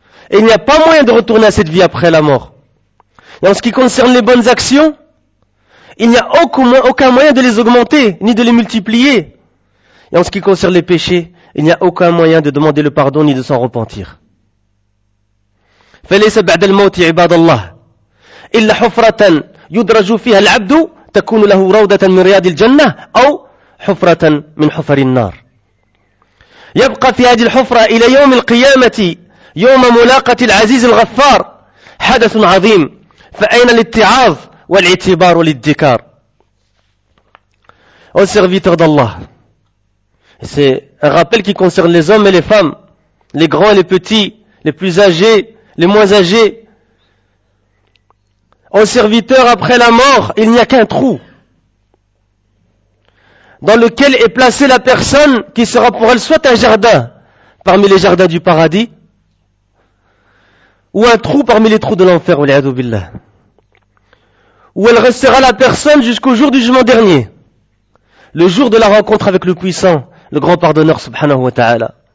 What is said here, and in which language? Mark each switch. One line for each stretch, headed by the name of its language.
French: Et il n'y a pas moyen de retourner à cette vie après la mort. Et en ce qui concerne les bonnes actions, il n'y a aucun moyen de les augmenter ni de les multiplier. Et en ce qui concerne les péchés, il n'y a aucun moyen de demander le pardon ni de s'en repentir.
Arabic: فليس بعد الموت عباد الله إلا حفرة يدرج فيها العبد تكون له روضة من رياض الجنة أو حفرة من حفر النار. يبقى في هذه الحفرة إلى يوم القيامة يوم ملاقة العزيز الغفار حدث عظيم فأين الاتعاظ والاعتبار والادكار.
French: aux serviteurs d'Allah. C'est un rappel qui concerne les hommes et les femmes, les grands et les petits, les plus âgés, les moins âgés. Aux serviteurs, après la mort, il n'y a qu'un trou dans lequel est placée la personne qui sera pour elle soit un jardin parmi les jardins du paradis, ou un trou parmi les trous de l'enfer,
Arabic: wal'iyadu billah,
French: où elle restera la personne jusqu'au jour du jugement dernier, le jour de la rencontre avec le puissant, le grand pardonneur, subhanahu wa ta'ala.